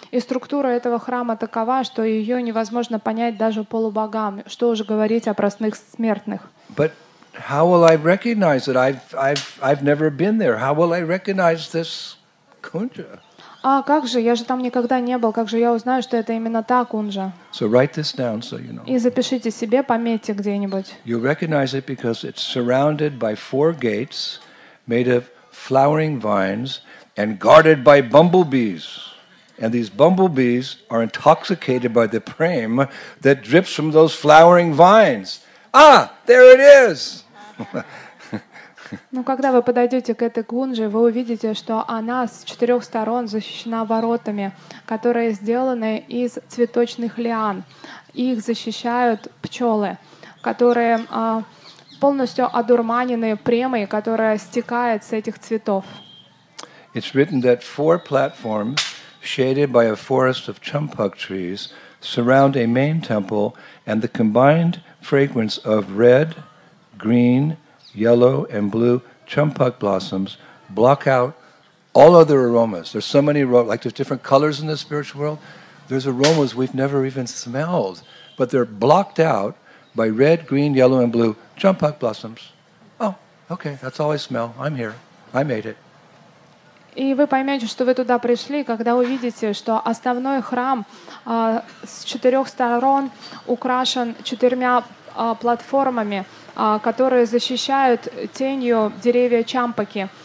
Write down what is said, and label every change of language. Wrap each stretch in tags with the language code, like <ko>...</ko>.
<ru>И структура этого храма такова, что ее невозможно понять даже полубогам, что уже говорить о простых смертных.</ru> <en>But how will I recognize it? I've never been there. How will I recognize this kunja?</en> <ru>А как же? Я же там никогда не был. Как же я узнаю, что это именно та кунжа?</ru> <en>So write this down, so you know.</en> <ru>И запишите себе, пометьте где-нибудь.</ru> <en>You recognize it because it's surrounded by four gates made of flowering vines and guarded by bumblebees. And these bumblebees are intoxicated by the prem that drips from those flowering vines. Ah, there it is!</en> <ru>Ну, когда вы подойдете к этой кунже, вы увидите, что она с четырех сторон защищена воротами, которые сделаны из цветочных лиан. Их защищают пчелы, которые полностью одурманены премой, которая стекает с этих цветов.</ru> <en>It's written that four platforms, shaded by a forest of champak trees, surround a main temple, and the combined fragrance of red, green, yellow and blue champak blossoms block out all other aromas. There's so many aromas, like there's different colors in the spiritual world. There's aromas we've never even smelled, but they're blocked out by red, green, yellow and blue champak blossoms. Oh, okay, that's all I smell. I'm here. I made it.</en> <ru>И вы поймете, что вы туда пришли, когда увидите, что основной храм с четырех сторон украшен четырьмя платформами, которые защищают тенью деревья чампаки.</ru>